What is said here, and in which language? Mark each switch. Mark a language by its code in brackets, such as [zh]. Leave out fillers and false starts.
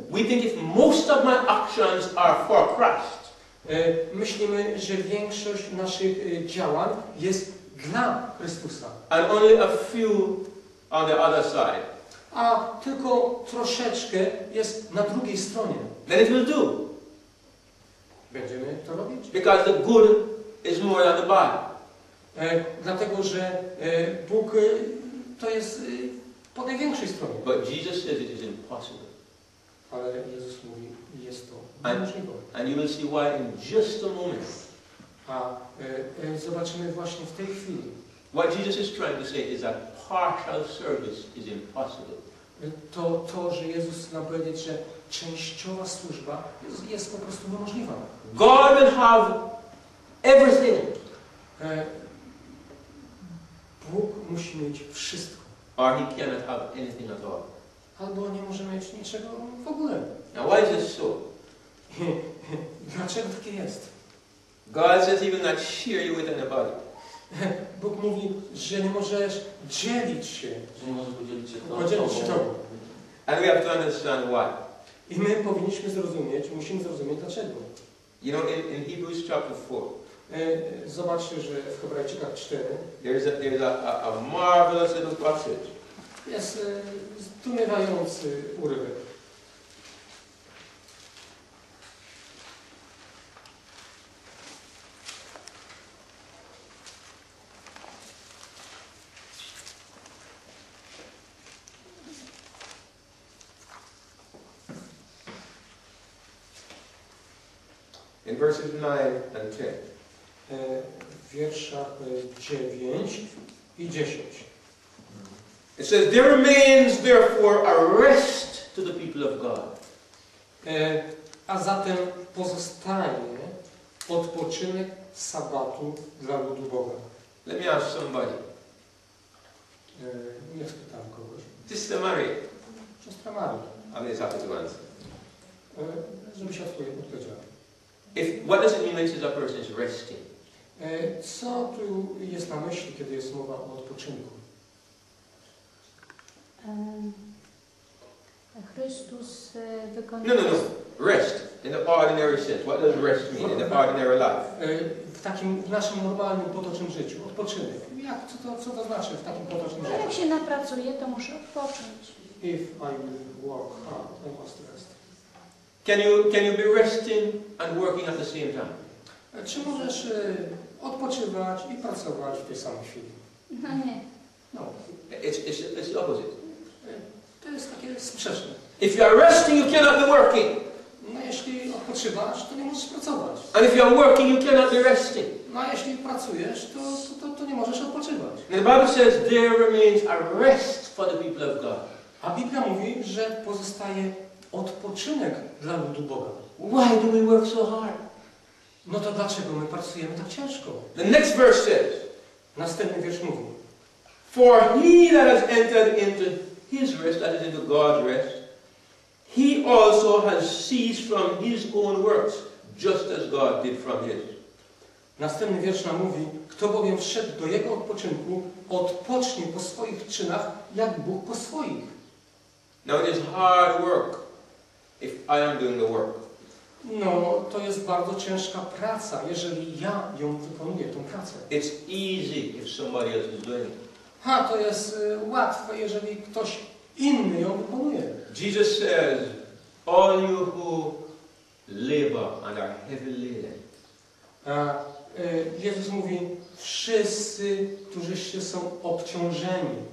[en] We think if most of my actions are for Christ. [pl] Myślimy, że większość naszych działań jest dla Chrystusa. [en] And only a few on the other side. [pl] A tylko troszeczkę jest na drugiej stronie. [en] Then it will do. [pl] Będziemy to robić. [en] Because the good is more than the bad. [pl] Dlatego, że Bóg to jest po największej stronie. [en] But Jesus says it is impossible. [pl] Ale Jezus mówi, jest to niemożliwe. [en] And you will see why in just a moment. [pl] A zobaczymy właśnie w tej chwili. [en] What Jesus is trying to say is that partial service is impossible. [pl] To, że Jezus nam powiedzieć, że częściowa służba jest po prostu niemożliwa. [en] God will have everything. [pl] Bóg musi mieć wszystko. [en] Or he cannot have anything at all. [pl] Albo nie może mieć niczego w ogóle. [en] Now why is this so? [pl] Dlaczego takie jest? [en] God says he will not share you with anybody. [pl] Bóg mówi, że nie możesz dzielić się. Że nie możesz podzielić się tobą. [en] And we have to understand why. [pl] I my powinniśmy zrozumieć, musimy zrozumieć dlaczego. [en] You know, in Hebrews chapter 4. [pl] Zobaczcie, że w Hebrajczykach 4. [en] There is a marvelous little passage. [pl] Jest zdumiewający urywek. [en] In verses 9 and 10. [pl] Wierszach 9 i 10. [en] It says, there remains therefore a rest to the people of God. [pl] A zatem pozostaje odpoczynek sabatu dla ludu Boga. [en] Let me ask somebody. [pl] Nie spytam kogoś. [en] Sister Mary. [pl] Siostra Mary. Ale jest [en] happy to answer. [pl] Żeby się odpowiedź odpowiedziała. [en] If, what does it mean when it says a person is resting? [pl] Co tu jest na myśli, kiedy jest mowa o odpoczynku? Chrystus wykonuje. [en] No. Rest in the ordinary sense. What does rest mean in the ordinary life? [pl] W naszym normalnym, potocznym życiu. Odpoczynek. Co to znaczy w takim potocznym życiu? Jak się napracuję, to muszę odpocząć. [en] If I work hard, I must rest. Can you be resting and working at the same time? [pl] Czy możesz odpoczywać i pracować w tej samej chwili? No nie. [en] No. It's the opposite. [pl] To jest takie sprzeczne. [en] If you are resting, you cannot be working. [pl] No, jeśli odpoczywasz. odpoczywasz, to nie możesz pracować. [en] And if you are working, you cannot be resting. [pl] No a jeśli pracujesz, to nie możesz odpoczywać. [en] And the Bible says there remains a rest for the people of God. [pl] A Biblia mówi, że pozostaje odpoczynek dla ludu Boga. [en] Why do we work so hard? [pl] No to dlaczego my pracujemy tak ciężko? [en] The next verse says. [pl] Następny wiersz mówi. [en] For he that has entered into his rest, that is into God's rest, he also has ceased from his own works, just as God did from his. [pl] Następny wiersz nam mówi, kto bowiem wszedł do jego odpoczynku, odpocznie po swoich czynach, jak Bóg po swoich. [en] Now it is hard work if I am doing the work. [pl] No, to jest bardzo ciężka praca, jeżeli ja ją wykonuję, tą pracę. [en] It's easy if somebody else is doing it. [pl] Ha, to jest łatwe, jeżeli ktoś inny ją wykonuje. [en] Jesus says, all you who labor and are heavy laden. [pl] Jezus mówi, wszyscy, którzy się są obciążeni.